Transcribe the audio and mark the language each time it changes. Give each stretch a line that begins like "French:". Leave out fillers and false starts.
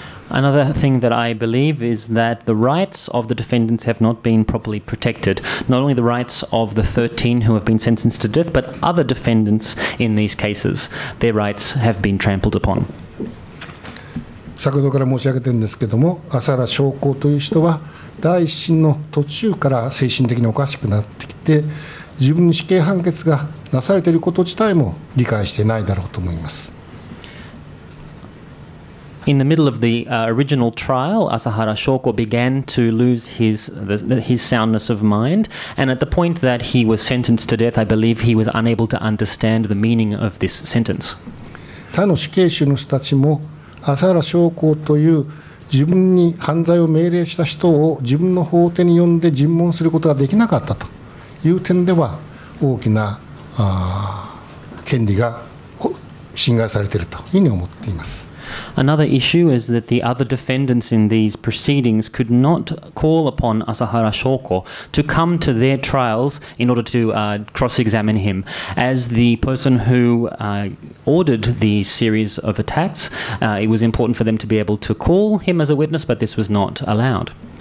English: Another thing that I believe is that the rights of the defendants have not been properly protected. Not only the rights of the 13 who have been sentenced to death, but other defendants in these cases, their rights have been trampled upon.
Japanese: 先ほどから申し上げてるんですけども、アサラ将校という人は第一審の途中から精神的におかしくなってきて、自分に死刑判決がなされていること自体も理解してないだろうと思います。
English: In the middle of the original trial, Asahara Shoko began to lose his soundness of mind. And at the point that he was sentenced to death, I believe he was unable to understand the meaning of this sentence.
Japanese: 他の死刑囚の人たちも、Asahara Shoko という自分に犯罪を命令した人を自分の法廷に呼んで尋問することができなかったという点では、大きな権利が侵害されているというふうに思っています。
English: Another issue is that the other defendants in these proceedings could not call upon Asahara Shoko to come to their trials in order to cross-examine him. As the person who ordered these series of attacks, it was important for them to be able to call him as a witness, but this was not allowed.